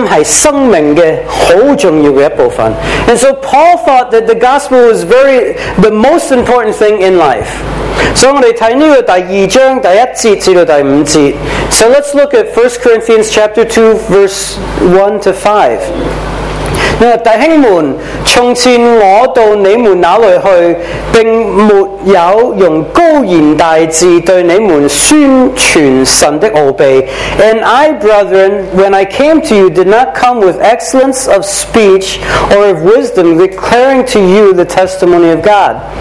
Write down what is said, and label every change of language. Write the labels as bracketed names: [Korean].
[Chinese] 所以保罗觉得福音是生命的很重要的一部分。 [English] And so Paul thought that the gospel was the most important thing in life. [Chinese] 所以我们看这个第二章第一节至到第五节。 [English] So let's look at 1 Corinthians chapter 2 verse 1 to 5. [Chinese] 弟兄们，从前我到你们那里去，并没有用高言大志对你们宣传神的奥秘。 [English] And I, brethren, when I came to you, did not come with excellence of speech or of wisdom, declaring to you the testimony of God.